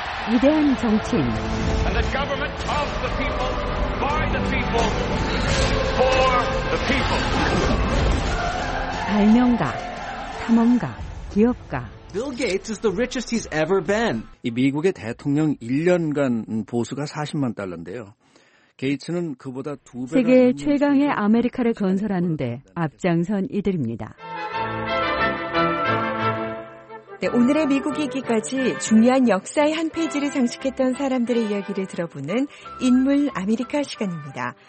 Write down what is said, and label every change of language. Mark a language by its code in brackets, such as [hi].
[ko] 위대한 정치인, 발명가, 탐험가, 기업가, [en] Bill Gates is the richest he's ever been. [ko] 이 미국의 대통령 1년간 보수가 40만 달러인데요. 게이츠는 그보다 두 배나 세계 최강의 아메리카를 건설하는데 앞장선 이들입니다. 네, 오늘의 미국이기까지 중요한 역사의 한 페이지를 장식했던 사람들의 이야기를 들어보는 인물 아메리카 시간입니다.